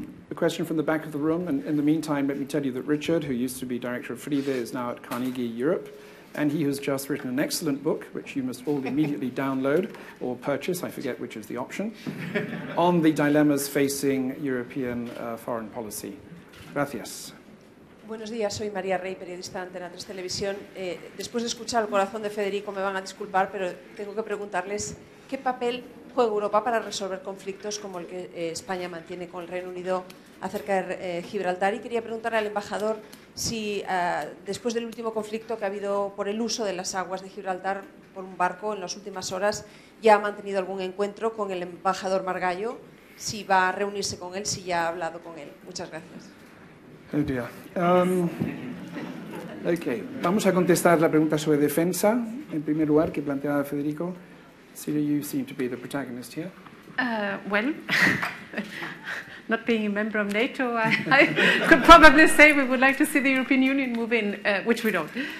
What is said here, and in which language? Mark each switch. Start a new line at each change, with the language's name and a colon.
English: a question from the back of the room. And in the meantime, let me tell you that Richard, who used to be director of Fride, is now at Carnegie Europe. And he has just written an excellent book, which you must all immediately download or purchase, I forget which is the option, on the dilemmas facing European foreign policy.
Spanish: Gracias. Buenos días, soy María Rey, periodista de Antena 3 Televisión. Después de escuchar el corazón de Federico, me van a disculpar, pero tengo que preguntarles qué papel juega Europa para resolver conflictos como el que España mantiene con el Reino Unido acerca de Gibraltar. Y quería preguntarle al embajador si, después del último conflicto que ha habido por el uso de las aguas de Gibraltar por un barco en las últimas horas, ya ha mantenido algún encuentro con el embajador Margallo, si va a reunirse con él, si ya ha hablado con él. Muchas gracias.
English: Oh dear. Okay.
Spanish: Vamos a contestar la pregunta sobre defensa, en primer lugar, que planteaba Federico.
English: Celia, you seem to be the protagonist here. Well, not being a member of NATO, I could probably say we would like to see the European Union move in, which we don't.